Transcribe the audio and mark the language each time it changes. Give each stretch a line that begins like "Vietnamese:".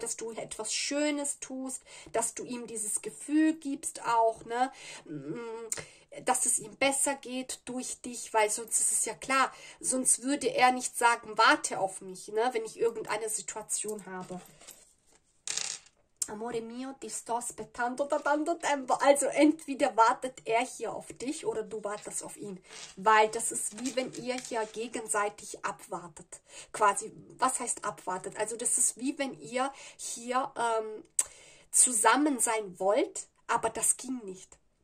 German: Dass du etwas Schönes tust, dass du ihm dieses Gefühl gibst auch, ne? Dass es ihm besser geht durch dich, weil sonst ist es ja klar, sonst würde er nicht sagen, warte auf mich, ne, wenn ich irgendeine Situation habe.
Italian: Amore mio, ti sto aspettando da tanto tempo.
German: Also entweder wartet er hier auf dich oder du wartest auf ihn. Weil das ist wie wenn ihr hier gegenseitig abwartet. Quasi, was heißt abwartet? Also das ist wie wenn ihr hier zusammen sein wollt, aber das ging nicht.